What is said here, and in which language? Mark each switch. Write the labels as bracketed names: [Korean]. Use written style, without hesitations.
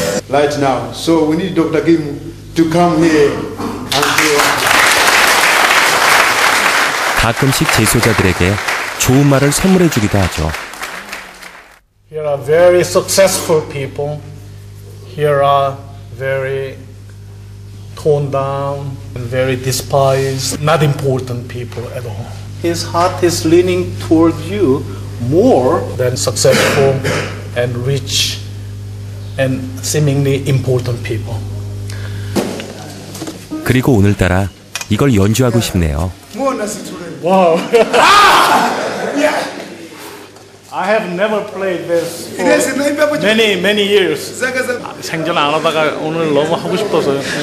[English] Right now. So we need Dr. Kim to come here. [Korean] 가끔씩 재소자들에게 좋은 말을 선물해 주기도 하죠. [English] Here are very successful people. Here are very torn down and very despised, not important people at all. His heart is leaning toward you more than successful and rich and seemingly important people. [Korean] 그리고 오늘따라 이걸 연주하고 싶네요. [English] Wow. Yeah. I have never played this for many, many years. [Korean] 생전 안 하다가 오늘 너무 하고 싶어서요.